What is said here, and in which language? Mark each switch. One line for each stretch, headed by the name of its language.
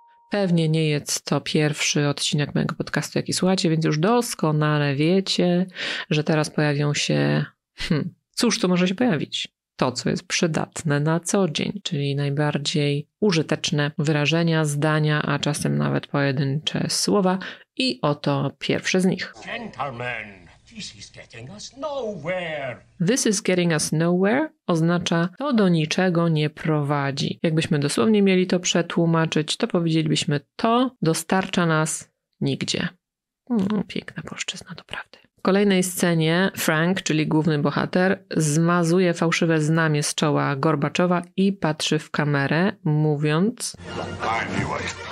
Polish: Pewnie nie jest to pierwszy odcinek mojego podcastu, jaki słuchacie, więc już doskonale wiecie, że teraz pojawią się... cóż tu może się pojawić? To, co jest przydatne na co dzień, czyli najbardziej użyteczne wyrażenia, zdania, a czasem nawet pojedyncze słowa. I oto pierwsze z nich.
English: Gentlemen, this is getting us nowhere. This is getting us nowhere
Polish: oznacza to do niczego nie prowadzi. Jakbyśmy dosłownie mieli to przetłumaczyć, to powiedzielibyśmy to dostarcza nas nigdzie. Piękna polszczyzna, doprawdy. W kolejnej scenie Frank, czyli główny bohater, zmazuje fałszywe znamie z czoła Gorbaczowa i patrzy w kamerę, mówiąc
English: I knew it.